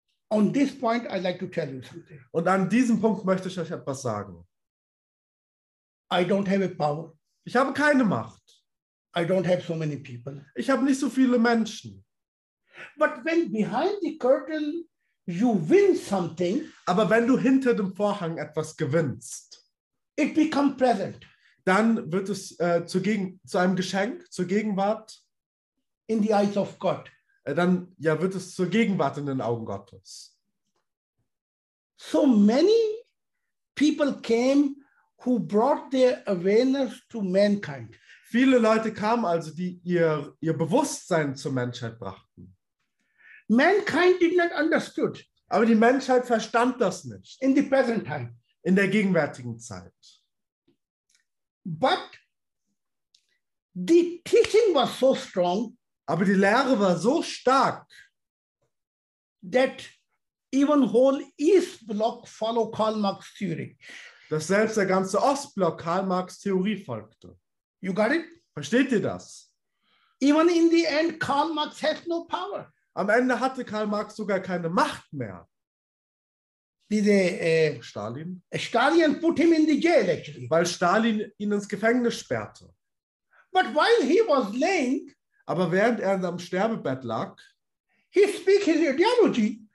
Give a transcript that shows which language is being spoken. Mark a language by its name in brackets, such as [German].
[English] On this point, I'd like to tell you something. [German] Und an diesem Punkt möchte ich euch etwas sagen. [English] I don't have a power. [German] Ich habe keine Macht. [English] I don't have so many people. [German] Ich habe nicht so viele Menschen. [English] But when behind the curtain you win something, [German] aber wenn du hinter dem Vorhang etwas gewinnst, [English] it become present, [German] dann wird es zu einem Geschenk, zur Gegenwart, [English] in the eyes of God, [German] dann ja wird es zur Gegenwart in den Augen Gottes. [English] So many people came who brought their awareness to mankind. [German] Viele Leute kamen also, die ihr Bewusstsein zur Menschheit brachten. [English] Mankind did not understood. [German] Aber die Menschheit verstand das nicht. [English] In the present time. [German] In der gegenwärtigen Zeit. [English] But the teaching was so strong. [German] Aber die Lehre war so stark. [English] That even whole East Block follow Karl Marx theory. [German] Dass selbst der ganze Ostblock Karl Marx Theorie folgte. [English] You got it? [German] Versteht ihr das? [English] Even in the end, Karl Marx has no power. [German] Am Ende hatte Karl Marx sogar keine Macht mehr. diese [English] Stalin. Stalin put him in the jail actually. [German] Weil Stalin ihn ins Gefängnis sperrte. [English] But while he was laying, [German] aber während er am Sterbebett lag, [English] he speak his ideology.